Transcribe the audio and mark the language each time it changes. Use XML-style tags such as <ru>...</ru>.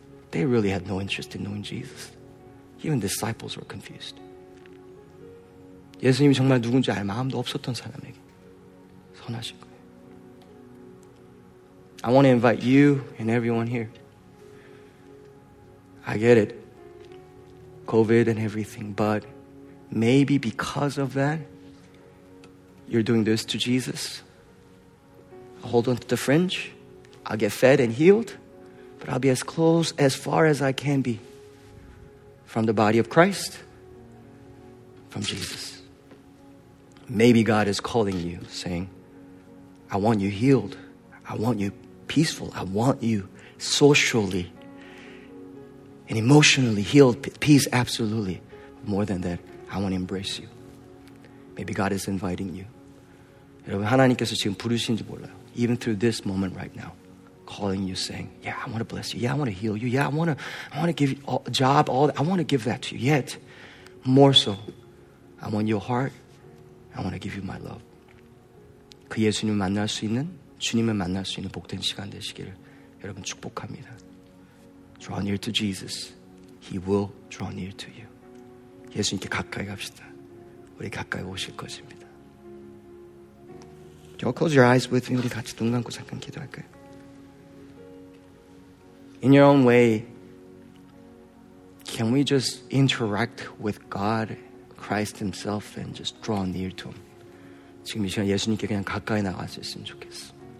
<en>They really had no interest in knowing Jesus. Even disciples were confused.</en> <ko>예수님이 정말 누군지 알 마음도 없었던 사람에게 선하신 거예요.</ko> <en>I want to invite you and everyone here. I get it. COVID and everything, but maybe because of that, you're doing this to Jesus. I'll hold on to the fringe. I'll get fed and healed. But I'll be as close, as far as I can be from the body of Christ, from Jesus. Maybe God is calling you, saying, I want you healed. I want you peaceful. I want you socially and emotionally healed. Peace, absolutely. More than that, I want to embrace you. Maybe God is inviting you.</en> <ko>여러분, 하나님께서 지금 부르신지 몰라요.</ko> <en>Even through this moment right now, calling you, saying, yeah, I want to bless you. Yeah, I want to heal you. Yeah, I want to give you a job, all that. I want to give that to you. Yet, more so, I want your heart. I want to give you my love.</en> <ko>그 예수님을 만날 수 있는, 주님을 만날 수 있는 복된 시간 되시기를 여러분 축복합니다.</ko> <en>Draw near to Jesus. He will draw near to you.</en> <ko>예수님께 가까이 갑시다. 우리 가까이 오실 것입니다.</ko> <en>Y'all close your eyes with me.</en> <ko>우리 같이 눈 감고 잠깐 기도할까요?</ko> <en>In your own way, can we just interact with God, Christ Himself, and just draw near to Him?</en> <ko>지금 이 시간 예수님께 그냥 가까이 나갈 수 있으면 좋겠어.</ko>